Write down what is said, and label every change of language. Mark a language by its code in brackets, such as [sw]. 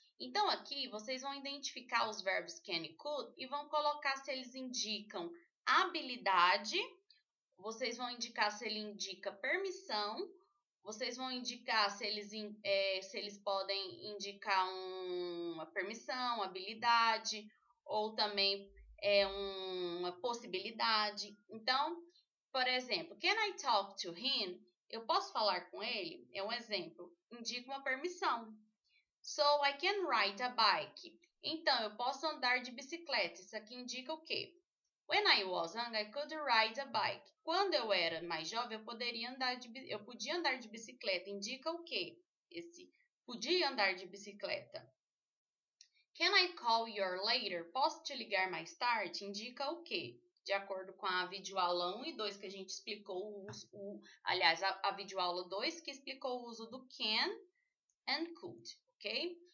[pt] Então, aqui, vocês vão identificar os verbos can e could e vão colocar se eles indicam habilidade, vocês vão indicar se ele indica permissão, vocês vão indicar se eles, se eles podem indicar uma permissão, habilidade, ou também uma possibilidade. Então, por exemplo, [en] can I talk to him? [pt] Eu posso falar com ele? É um exemplo. Indica uma permissão. [en] So, I can ride a bike. [pt] Então, eu posso andar de bicicleta. Isso aqui indica o quê? [en] When I was young, I could ride a bike. [pt] Quando eu era mais jovem, eu podia andar de bicicleta. Indica o quê? Esse podia andar de bicicleta. [en] Can I call you later? [pt] Posso te ligar mais tarde? Indica o quê? De acordo com a videoaula 1 e 2 que a gente explicou, a videoaula 2 que explicou o uso do [en] can and could, [pt] ok?